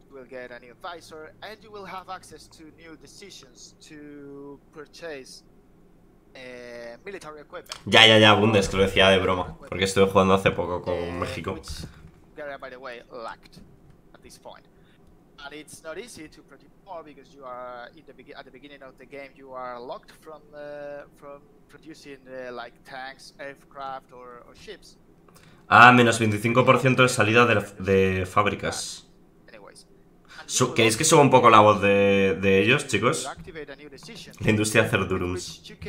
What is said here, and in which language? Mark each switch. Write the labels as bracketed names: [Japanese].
[English] Get a new advisor, and you will have access to new decisions to purchase military equipment. [Spanish] Ya, Bundes, que lo decía de broma, porque estuve jugando hace poco con México. [English] Which, by the way, lacked at this point. And it's not easy to produce more because you are at the beginning of the game, you are locked from producing like tanks, aircraft, or ships. [Spanish] Ah, menos 25% de salida de fábricas. Su ¿Queréis que suba un poco la voz de ellos, chicos? La industria Cerdurums.